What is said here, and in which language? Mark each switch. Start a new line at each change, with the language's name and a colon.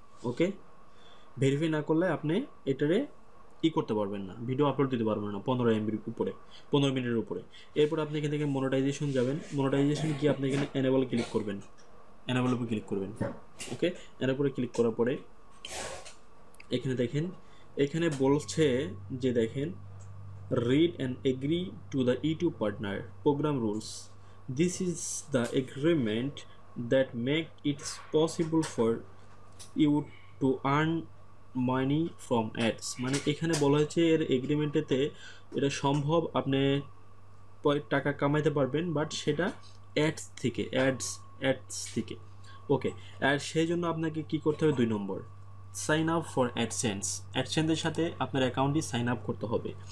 Bangla: ওকে, verify না করলে আপনি এটারে ই করতে পারবেন না, ভিডিও আপলোড দিতে পারবেন না 15 MB উপরে, 15 মিনিটের উপরে। এরপর আপনি এখান থেকে মনিটাইজেশন যাবেন, মনিটাইজেশন গিয়ে আপনি এখানে এনেবল ক্লিক করবেন, এনেবল উপরে ক্লিক করবেন। ওকে, এনেবল উপরে ক্লিক করার পরে এখানে দেখেন, এখানে বলছে যে দেখেন
English: read and agree to the YouTube partner program rules. This is the agreement that makes it possible for you to earn money from ads.
Bangla: মানে এখানে বলা হয়েছে এর এগ্রিমেন্টেতে এটা সম্ভব, আপনি টাকা কামাইতে পারবেন, বাট সেটা অ্যাডস থেকে, অ্যাডস থেকে। ওকে, আর সেই জন্য আপনাকে কি করতে হবে, দুই নম্বর সাইন আপ ফর অ্যাডসেন্স, অ্যাডসেন্সের সাথে আপনার অ্যাকাউন্টটি সাইন আপ করতে হবে।